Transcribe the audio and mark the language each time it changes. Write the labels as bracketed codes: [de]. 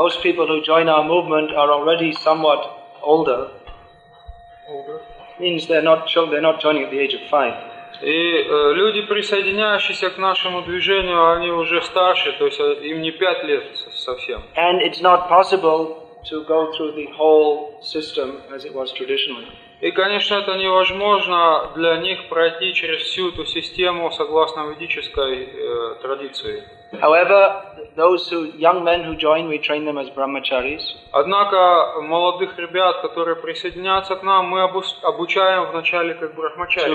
[en] Most people who join our movement are already somewhat older. Older means they're not children, they're not joining at the age of five. [ru] И люди, присоединяющиеся к нашему движению, они уже старше, то есть им не 5 лет совсем. [en] And it's not possible to go through the whole system as it was traditionally. [ru] И, конечно, это невозможно для них пройти через всю эту систему согласно ведической традиции. [en] However, those who, young men who join, we train them as brahmacharis. [ru] Однако молодых ребят, которые присоединятся к нам, мы обучаем вначале как брахмачари.